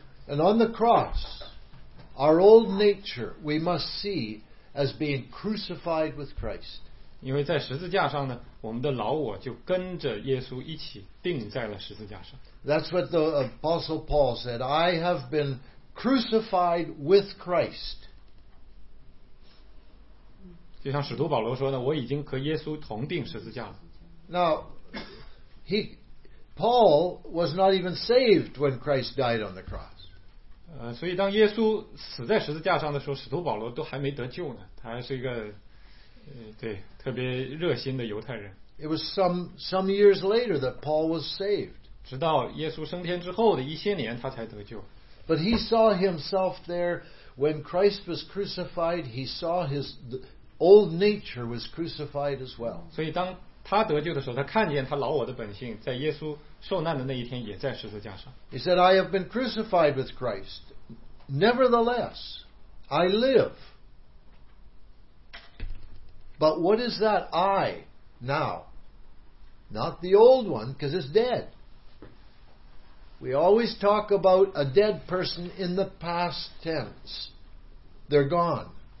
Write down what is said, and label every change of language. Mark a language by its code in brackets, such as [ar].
[en] And on the cross, our old nature we must see as being crucified with Christ. [zh] 因为在十字架上呢，我们的老我就跟着耶稣一起钉在了十字架上。 [en] That's what the apostle Paul said. I have been crucified with Christ. [zh] 就像使徒保罗说呢，我已经和耶稣同钉十字架了。 [en] Now, Paul was not even saved when Christ died on the cross. [zh] 所以当耶稣死在十字架上的时候，使徒保罗都还没得救呢，他还是一个对特别热心的犹太人。 [en] It was some years later that Paul was saved. [zh] 直到耶稣升天之后的一些年他才得救。 [en] But he saw himself there when Christ was crucified. He saw his old nature was crucified as well. [zh] 所以当他得救的时候，他看见他老我的本性在耶稣受难的那一天也在十字架上。 [en] He said, I have been crucified with Christ. Nevertheless, I live. But what is that I now? Not the old one, because it's dead. We always talk about a dead person in the past tense. They're gone.